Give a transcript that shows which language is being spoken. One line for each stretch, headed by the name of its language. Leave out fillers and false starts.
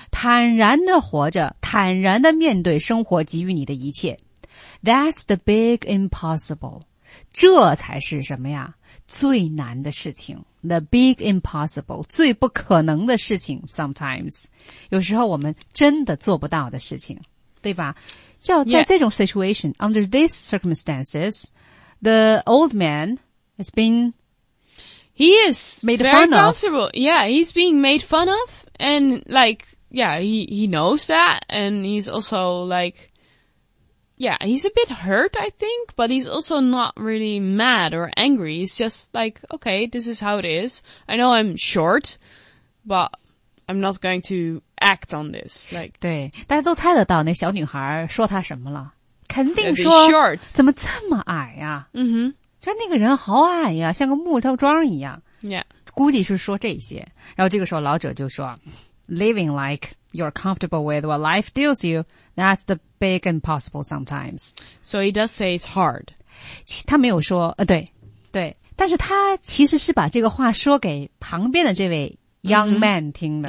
Chinese: 坦然的活着，坦然的面对生活给予你的一切。
English: That's the big impossible.
Chinese: 这才是什么呀？最难的事情。
English: The big impossible.
Chinese: 最不可能的事情。
English: Sometimes.
Chinese: 有时候我们真的做不到的事情。对吧？叫在这种 situation,、yeah.
English: under these circumstances, the old man has been... He is made very fun comfortable. Of. Yeah, he's being made fun of. And like, yeah, he knows that. And he's also like, yeah, he's a bit hurt, I think. But he's also not really mad or angry. He's just like, okay, this is how it is. I know I'm short, but I'm not going to act on this. Like,
Chinese: 对，大家都猜得到那小女孩说她什么了。肯定说
English: short.
Chinese: 怎么这么矮呀、啊、嗯哼。说那个人好矮呀，像个木头桩一样。
English: Yeah.
Chinese: 估计是说这些。然后这个时候老者就说 ,
English: living like you're comfortable with what life deals you, that's the big impossible sometimes. So he does say it's hard.
Chinese: 他没有说对对。但是他其实是把这个话说给旁边的这位 young man 听的。